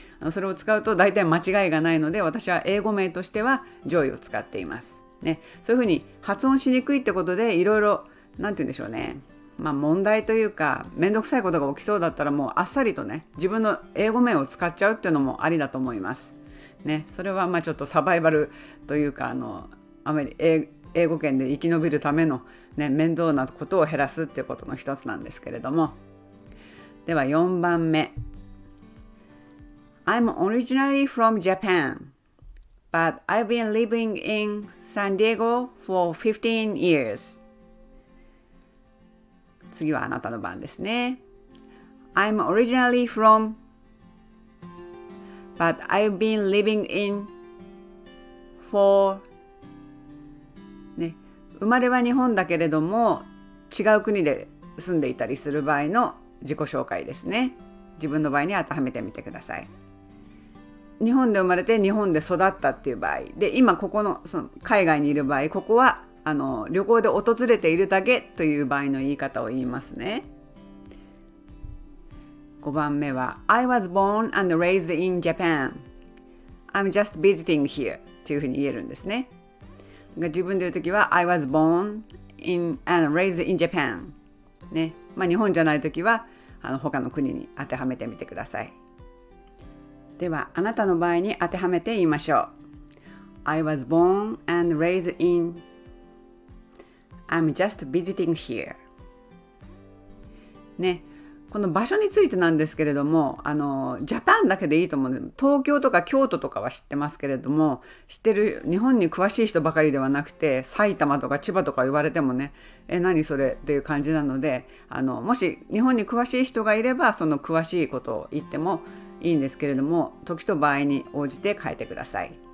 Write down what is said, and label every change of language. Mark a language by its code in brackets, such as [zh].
[ja] それを使うと大体間違いがないので、私は英語名としてはジョイを使っています、ね、そういうふうに発音しにくいってことで、いろいろなんて言うんでしょうね、まあ、問題というか、めんどくさいことが起きそうだったら、もうあっさりとね、自分の英語名を使っちゃうっていうのもありだと思います。ね、それはまあちょっとサバイバルというか、英語圏で生き延びるためのね、面倒なことを減らすっていうことの一つなんですけれども。では4番目。 [en] I'm originally from Japan, but I've been living in San Diego for 15 years. [ja] 次はあなたの番ですね。 [en] I'm originally from but I've been living in for、 [ja] ね、生まれは日本だけれども違う国で住んでいたりする場合の自己紹介ですね。自分の場合に当てはめてみてください。日本で生まれて日本で育ったっていう場合で、今ここの、その海外にいる場合、ここは旅行で訪れているだけという場合の言い方を言いますね。 5番目は [en] I was born and raised in Japan. I'm just visiting here [ja] というふうに言えるんですね。自分で言うときは [en] I was born in and raised in Japan、 [ja] ね、まあ、日本じゃないときは他の国に当てはめてみてください。ではあなたの場合に当てはめて言いましょう。 [en] I was born and raised inI'm just visiting here. [ja] ね、この場所についてなんですけれども、ジャパンだけでいいと思うんです。東京とか京都とかは知ってますけれども、知ってる日本に詳しい人ばかりではなくて、埼玉とか千葉とか言われてもね、え、何それっていう感じなので、もし日本に詳しい人がいればその詳しいことを言ってもいいんですけれども、時と場合に応じて変えてください。